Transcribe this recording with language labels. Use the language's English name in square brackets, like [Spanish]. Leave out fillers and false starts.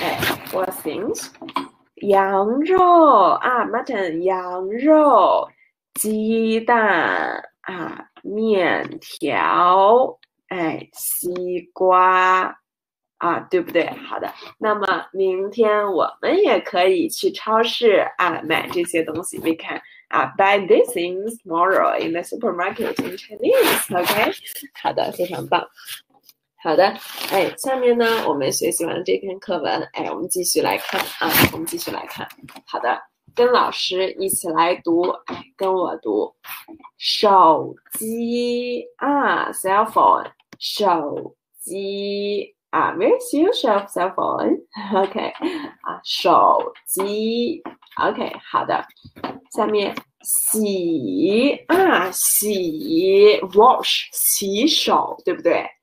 [Chinese] 哎， [English] what things？ [Chinese] 羊肉啊，mutton，羊肉，鸡蛋啊，面条，哎，西瓜啊，对不对？好的，那么明天我们也可以去超市啊买这些东西。 [English] We can 啊 buy these things tomorrow in the supermarket in Chinese，OK？ [Chinese] 好的，非常棒。好的，哎，下面呢，我们学习完这篇课文，哎，我们继续来看啊，我们继续来看。好的，跟老师一起来读，哎，跟我读，手机啊，cell phone，手机啊， [English] where's your cell phone？ [Chinese] OK，啊，手机，OK，好的，下面洗啊，洗，wash，洗手，对不对？